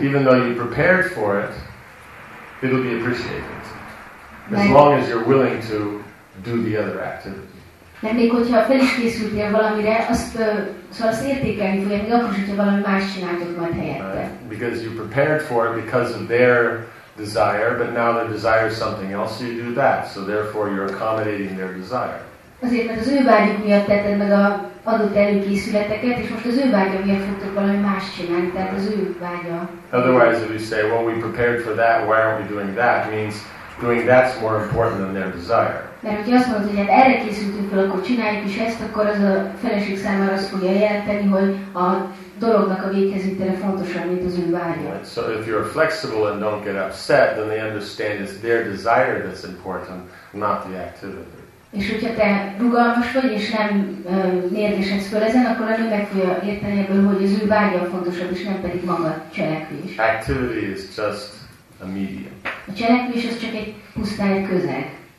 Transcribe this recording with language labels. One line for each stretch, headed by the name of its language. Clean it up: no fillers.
English: Even though you prepared for it, it'll be appreciated. As long as you're willing to do the other activity.
Hungarian: Mert még hogyha fel is készültél valamire, azt értékelni fogja, még akkor is, hogyha valami más csináltok majd helyette.
English: Because you prepared for it because of their desire, but now their desire is something else, you do that. So therefore you're accommodating their desire.
Hungarian: Azért, mert az ő vágyuk miatt tetted meg a adott előkészületeket, és most az ő vágya miatt fogtok valami más csinálni, tehát az ő vágya.
English: Otherwise, if you say, well, we prepared for that, why aren't we doing that, means doing that's more important than their desire.
Hungarian: Mert hogyha azt mondod, hogy hát erre készültünk fel, akkor csináljuk is ezt, akkor az a feleség számára azt fogja jelenteni, hogy a dolognak a véghezítele fontosabb, mint az ő vágya.
English: Right. So if you're flexible and don't get upset, then they understand it's their desire that's important, not the activity.
Hungarian: És hogyha te rugalmas vagy, és nem mérgesedsz föl ezen, akkor a nő meg fogja érteni ebből, hogy az ő vágya a fontosabb, és nem pedig maga a cselekvés.
English: Activity is just a medium.
Hungarian: A cselekvés az csak egy pusztán egy közeg.